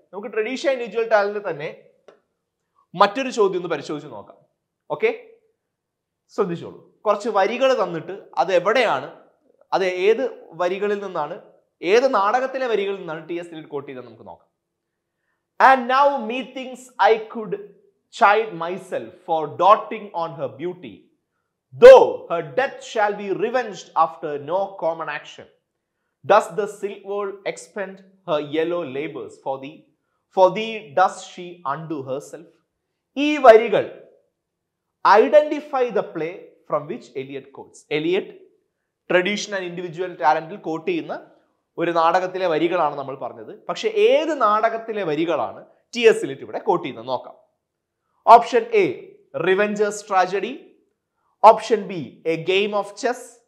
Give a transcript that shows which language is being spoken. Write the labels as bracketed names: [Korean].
[Malayalam] നമുക്ക് tradition individual talent തന്നെ മറ്റൊരു ചോദ്യം ഒന്ന് പരിശോധിച്ച് നോക്കാം. ഓക്കെ, ശ്രദ്ധിച്ചോളൂ. കുറച്ച് വരികൾ തന്നിട്ട് അത് എവിടെയാണ്, അത് ഏത് വരികളിൽ നിന്നാണ്, ഏത് നാടകത്തിലെ വരികളിൽ നിന്നാണ് ടി എസ് എലിയട്ട് കോട്ട് ചെയ്തതെന്ന് നമുക്ക് നോക്കാം. [English] And now methinks I could chide myself for doting on her beauty, though her death shall be revenged after no common action. Does the silk world expend her yellow labors for thee? For thee does she undo herself? [Malayalam] ഈ വരികൾ [English] identify the play from which Eliot quotes. [Malayalam] Eliot, tradition and individual talent ൽ quote ചെയ്യുന്ന ഒരു നാടകത്തിലെ വരികളാണ് നമ്മൾ പറഞ്ഞത്. പക്ഷെ ഏത് നാടകത്തിലെ വരികളാണ് ടി എസ് എലിയട്ട് ഇവിടെ കോട്ട് ചെയ്യുന്നത് നോക്കാം. Option A, റിവെഞ്ചേഴ്സ് tragedy. Option B, A game of chess.